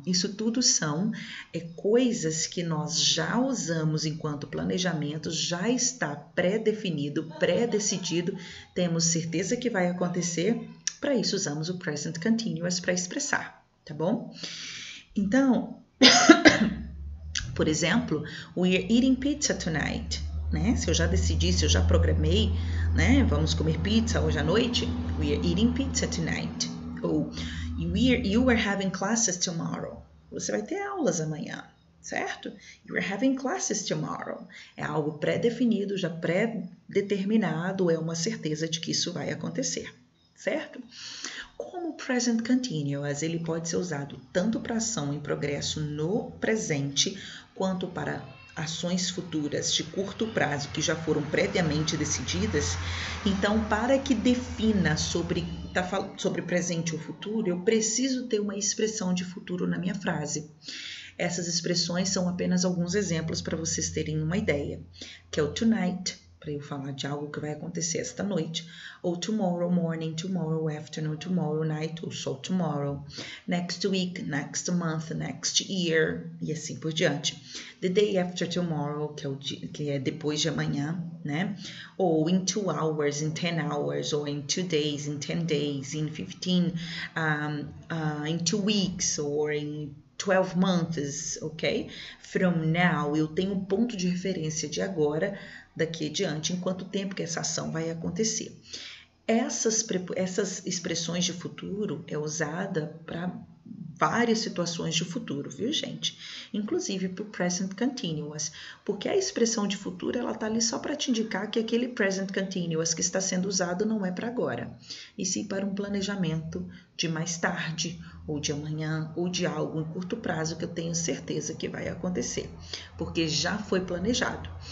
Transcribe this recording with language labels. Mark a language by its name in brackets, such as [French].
[Portuguese] Isso tudo são coisas que nós já usamos enquanto planejamento, já está pré-definido, pré-decidido, temos certeza que vai acontecer. Para isso, usamos o present continuous para expressar, tá bom? Então. Por exemplo, [English] we're eating pizza tonight, né? [Portuguese] Se eu já decidi, se eu já programei, né? Vamos comer pizza hoje à noite. [English] We're eating pizza tonight. Ou you are having classes tomorrow. [Portuguese] Você vai ter aulas amanhã, certo? [English] You are having classes tomorrow. [Portuguese] É algo pré-definido, já pré-determinado, é uma certeza de que isso vai acontecer, certo? Como present continuous, ele pode ser usado tanto para ação em progresso no presente, quanto para ações futuras de curto prazo que já foram previamente decididas. Então, para que defina sobre presente ou futuro, eu preciso ter uma expressão de futuro na minha frase. Essas expressões são apenas alguns exemplos para vocês terem uma ideia, que é o tonight, para eu falar de algo que vai acontecer esta noite, ou [English] tomorrow morning, tomorrow afternoon, tomorrow night, [Portuguese] ou só tomorrow, [English] next week, next month, next year, [Portuguese] e assim por diante. [English] The day after tomorrow, [Portuguese] que é depois de amanhã, né? [English] Ou in 2 hours, in 10 hours, ou in 2 days, in 10 days, in 15, in 2 weeks, ou in 12 months, ok? From now, [Portuguese] eu tenho um ponto de referência de agora, daqui adiante, em quanto tempo que essa ação vai acontecer. Essas expressões de futuro é usada para várias situações de futuro, viu, gente? Inclusive para o present continuous, porque a expressão de futuro ela tá ali só para te indicar que aquele present continuous que está sendo usado não é para agora, e sim para um planejamento de mais tarde, ou de amanhã, ou de algo em curto prazo que eu tenho certeza que vai acontecer, porque já foi planejado.